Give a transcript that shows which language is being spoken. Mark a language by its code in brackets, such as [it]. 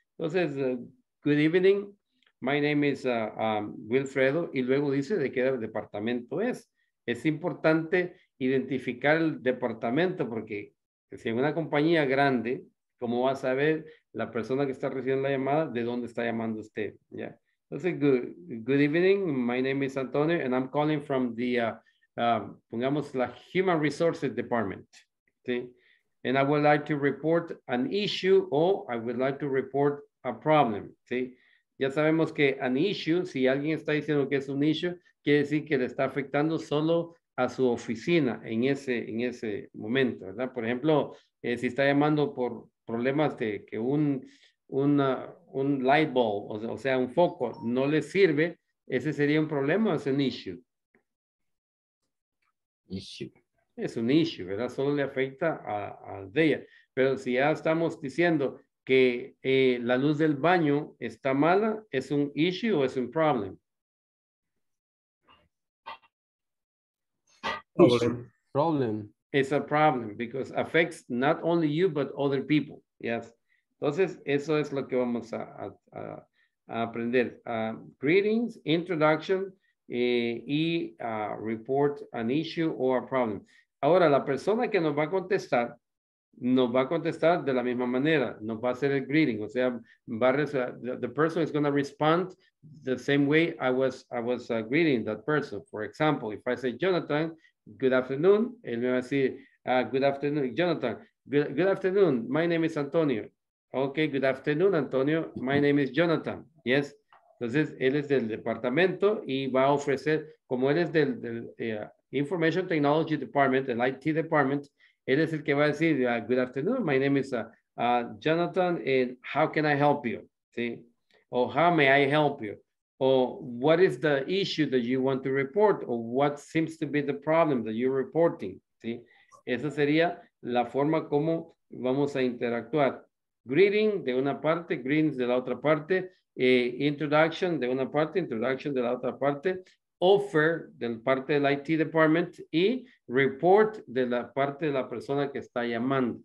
[es] Entonces, [en] good evening, my name is Wilfredo, [es] y luego dice de qué departamento es. Es importante identificar el departamento, porque si en una compañía grande, ¿cómo va a saber la persona que está recibiendo la llamada, de dónde está llamando usted? [en] Yeah. [es] Entonces, [en] good evening, my name is Antonio, and I'm calling from the, [es] pongamos, la [en] Human Resources Department. [es] ¿Sí? [en] And I would like to report an issue, or I would like to report a problem. [es] ¿Sí? Ya sabemos que an issue, si alguien está diciendo que es un issue, quiere decir que le está afectando solo a su oficina en ese momento, ¿verdad? Por ejemplo, si está llamando por problemas de que un light bulb, o sea, un foco, no le sirve, ¿ese sería un problema o es un issue? [en] Issue. [es] Es un issue, ¿verdad? Solo le afecta a ella. Pero si ya estamos diciendo que la luz del baño está mala, ¿es un issue o es un problem? [en] Problem. It's a problem because affects not only you, but other people. Yes. [es] Entonces, eso es lo que vamos a aprender. [en] Greetings, introduction, report an issue or a problem. [es] Ahora, la persona que nos va a contestar de la misma manera. Nos va a hacer el greeting. O sea, [en] the person is going to respond the same way I was greeting that person. For example, if I say, Jonathan, good afternoon, [es] él me va a decir, [en] good afternoon, Jonathan. Good afternoon, my name is Antonio. Okay, good afternoon, Antonio. My name is Jonathan. Yes. [es] Entonces, él es del departamento y va a ofrecer, como él es del Information Technology Department, el IT Department, él es el que va a decir, [en] good afternoon, my name is Jonathan, and how can I help you? [es] ¿Sí? [en] O how may I help you? O what is the issue that you want to report? O what seems to be the problem that you're reporting? [es] ¿Sí? Esa sería la forma como vamos a interactuar. Greeting de una parte, greetings de la otra parte, introduction de una parte, introduction de la otra parte, offer del parte del IT department y report de la parte de la persona que está llamando.